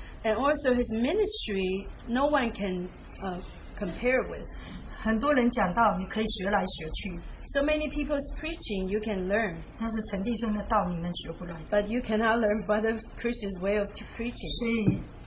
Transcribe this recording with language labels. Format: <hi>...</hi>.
<en>And also his ministry, no one can compare with.</en> <zh>很多人讲道你可以学来学去.</zh> <en>So many people's preaching, you can learn.</en> <zh>但是陈弟兄的道你们学不来.</zh> <en>But you cannot learn Brother Christian's way of preaching.</en>